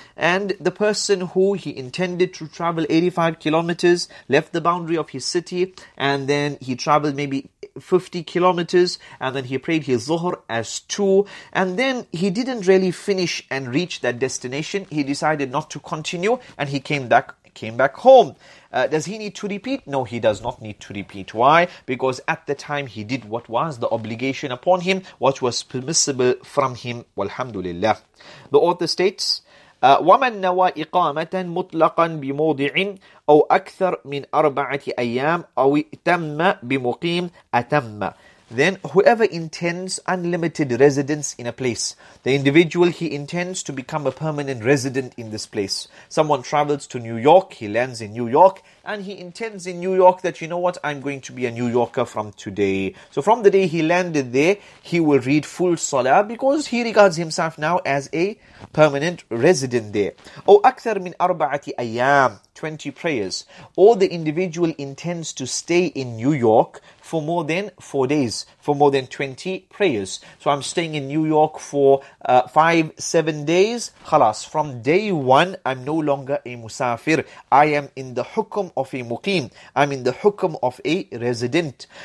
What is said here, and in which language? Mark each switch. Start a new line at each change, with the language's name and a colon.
English: And the person who he intended to travel 85 kilometers, left the boundary of his city, and then he traveled maybe 50 kilometers, and then he prayed his zuhr as two, and then he didn't really finish and reach that destination. He decided not to continue, and he came back home. Does he need to repeat? No, he does not need to repeat. Why? Because at the time he did what was the obligation upon him, what was permissible from him. Walhamdulillah. The author states,
Arabic: وَمَنْ نَوَى إِقَامَةً مُطْلَقًا بِمُوضِعٍ أَوْ أَكْثَرْ مِنْ أَرْبَعَةِ أَيَّامٍ أَوْ تَمَّ بِمُقِيمٍ أَتَمَّ.
English: Then whoever intends unlimited residence in a place, the individual, he intends to become a permanent resident in this place. Someone travels to New York, he lands in New York, and he intends in New York that, you know what, I'm going to be a New Yorker from today. So from the day he landed there, he will read full salah because he regards himself now as a permanent resident there.
Arabic: Oh, أَكْثَرْ مِنْ أَرْبَعَةِ أَيَّامٍ,
English: 20 prayers. Or the individual intends to stay in New York for more than 4 days, for more than 20 prayers. So I'm staying in New York for 5-7 days. Khalas, from day one, I'm no longer a musafir. I am in the hukum of a muqeem. I'm in the hukum of a resident.